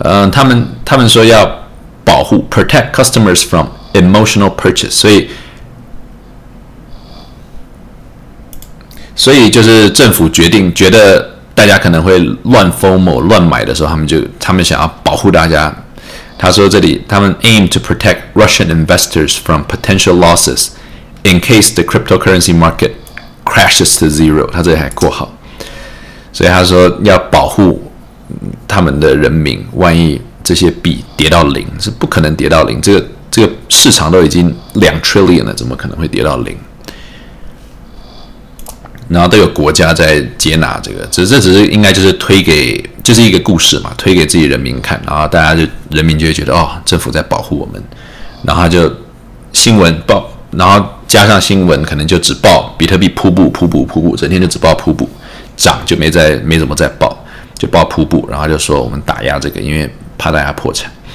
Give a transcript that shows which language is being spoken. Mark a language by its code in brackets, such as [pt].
[zh] 他们说要保护 [en] protect customers from emotional purchase， [zh] 所以就是政府决定觉得大家可能会乱 FOMO 乱买的时候，他们想要保护大家。他说这里他们 [en] aim to protect Russian investors from potential losses in case the cryptocurrency market crashes to zero。 [zh] 他这里还括号，所以他说要保护他们的人民，万一这些币跌到零，是不可能跌到零，这个市场都已经2 trillion 了，怎么可能会跌到零？然后都有国家在接纳这个，这只是应该就是推给，就是一个故事嘛，推给自己人民看，然后大家就人民就会觉得哦，政府在保护我们，然后就新闻报，然后加上新闻可能就只报比特币瀑布瀑布瀑布，整天就只报瀑布，涨就没怎么再报，就报瀑布，然后就说我们打压这个，因为怕大家破产。